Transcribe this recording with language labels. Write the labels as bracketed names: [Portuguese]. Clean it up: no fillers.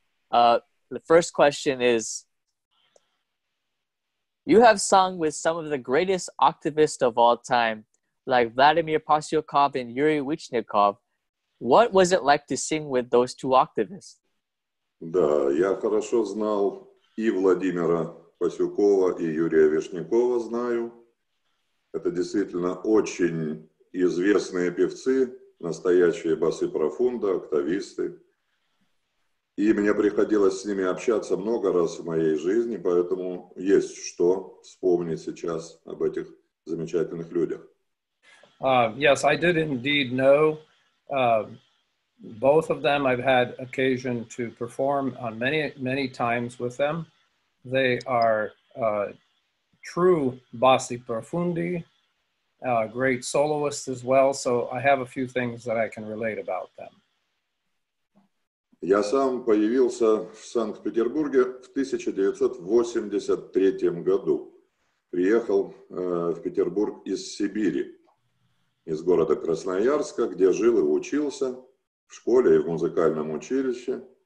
[English] The first question is, you have sung with some of the greatest octavists of all time, like Vladimir Pasyukov and Yuri Wichniakov. What was it like to sing with those two octavists? [Russian] Да, я хорошо знал и Владимира Пасюкова, и Юрия Вишнякова знаю. Это действительно очень известные певцы, настоящие басы профунда, октависты. И мне приходилось с ними общаться много раз в моей жизни, поэтому есть что вспомнить сейчас об этих замечательных людях. [English] Yes, I did indeed know both of them. I've had occasion to perform on many, many times with them. They are true bassi profundi, great soloists as well. So I have a few things that I can relate about them. [Russian] Я сам появился в Санкт-Петербурге в 1983 году. Приехал в Петербург из Сибири, из города Красноярска, где жил и учился в школе и в музыкальном училище.